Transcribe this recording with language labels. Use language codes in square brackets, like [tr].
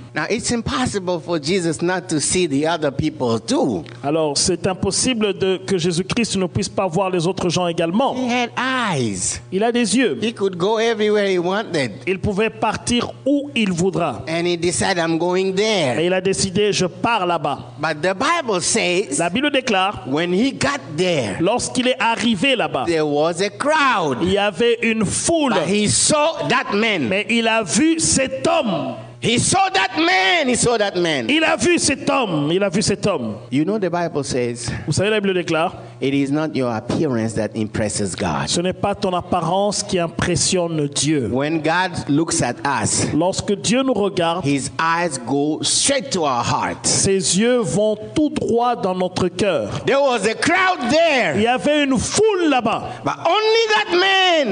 [en] Now it's impossible for Jesus not to see the other people too. [fr] Alors c'est impossible de que Jésus-Christ ne puisse pas voir les autres gens également. [en] He had eyes. [fr] Il a des yeux. [en] He could go everywhere he wanted. [fr] Il pouvait partir où il voudra. [en] And he decided, I'm going there. [fr] Et il a décidé, je pars là-bas. [en] But the Bible says, [fr] la Bible déclare, [en] when he got there, [fr] lorsqu'il est arrivé là-bas, [en] there was a crowd. [fr] Il y avait une foule. [en] But he saw that man. [fr] Mais il a vu cet homme. [en] He saw that man. He saw that man. [fr] Il a vu cet homme. Il a vu cet homme. [en] You know the Bible says. [fr] Vous savez, la Bible déclare. [en] It is not your appearance that impresses God. [fr] Ce n'est pas ton apparence qui impressionne Dieu. [en] When God looks at us, [fr] lorsque Dieu nous regarde, [en] His eyes go straight to our heart. [fr] Ses yeux vont tout droit dans notre cœur. [en] There was a crowd there. [fr] Il y avait une foule là-bas. [en] But only that man.